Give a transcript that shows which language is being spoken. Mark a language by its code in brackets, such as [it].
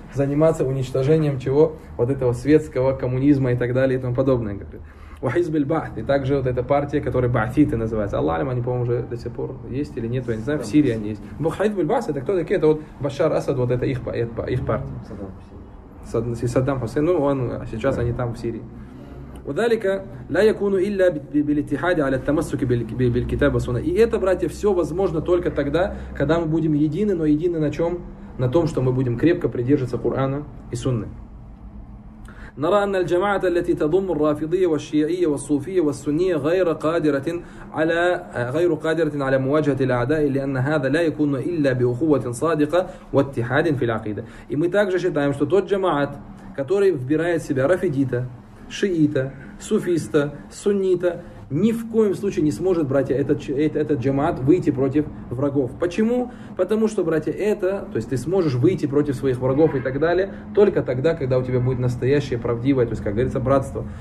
[ru] Заниматься уничтожением чего? Вот этого светского коммунизма и так далее и тому подобное. Говорит. Вахизбиль-бахт. И также вот эта партия, которая баатиты называется. Аллах, они, по-моему, уже до сих пор есть или нет, я не знаю, в Сирии они есть. Вахизбиль-бахт, это кто такие? Это вот Башар Асад, вот это их партия. Саддам Хусейн. Саддам Хусейн, ну, он, сейчас они там, в Сирии. [ar] وذلك لا يكون الا بالاتحاد على التمسك بالكتاب والسنه. [ru] И это, братья, все возможно только тогда, когда мы будем едины, но едины на чем? На том, что мы будем крепко придерживаться Корана и Сунны. [ar] نرى ان الجماعه التي تضم الرافضيه والشيعيه والصوفيه والسنيه غير قادره على مواجهه الاعداء لان هذا لا يكون الا باخوه صادقه واتحاد في العقيده. [ru] И мы также считаем, что тот جماعت, который вбирает в себя рафидита, шиита, суфиста, суннита, ни в коем случае не сможет, братья, этот джамаат выйти против врагов. Почему? Потому что, братья, это, то есть ты сможешь выйти против своих врагов и так далее, только тогда, когда у тебя будет настоящее, правдивое, то есть, как говорится, братство.